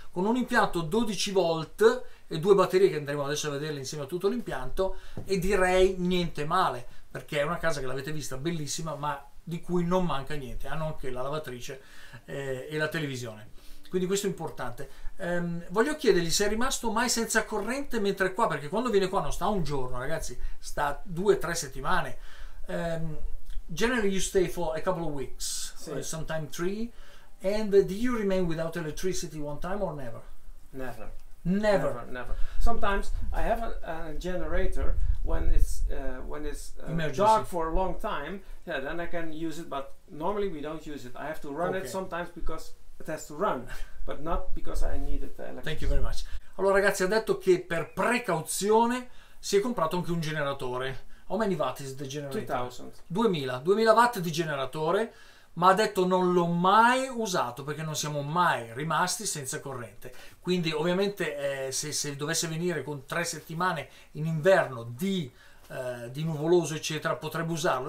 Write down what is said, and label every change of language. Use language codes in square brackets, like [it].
[it] Con un impianto 12 volt e due batterie che andremo adesso a vederle insieme a tutto l'impianto, e direi niente male, perché è una casa che l'avete vista bellissima, ma di cui non manca niente, hanno anche la lavatrice e la televisione, quindi questo è importante. Voglio chiedergli se è rimasto mai senza corrente mentre è qua, perché quando viene qua non sta un giorno, ragazzi, sta 2-3 settimane. [en] Generally you stay for a couple of weeks, [it] sì. [en] Sometimes 3. And do you remain without electricity one time or never? Never. Never. Never. Sometimes I have a generator when it's dark for a long time. Yeah, then I can use it, but normally we don't use it. I have to run it sometimes because it has to run, but not because I need it. Thank you very much. [it] Allora, ragazzi, ha detto che per precauzione si è comprato anche un generatore. [en] How many watt is the generator? [it] 2000 watt di generatore, ma ha detto non l'ho mai usato perché non siamo mai rimasti senza corrente. Quindi ovviamente se dovesse venire con 3 settimane in inverno di nuvoloso eccetera, potrebbe usarlo.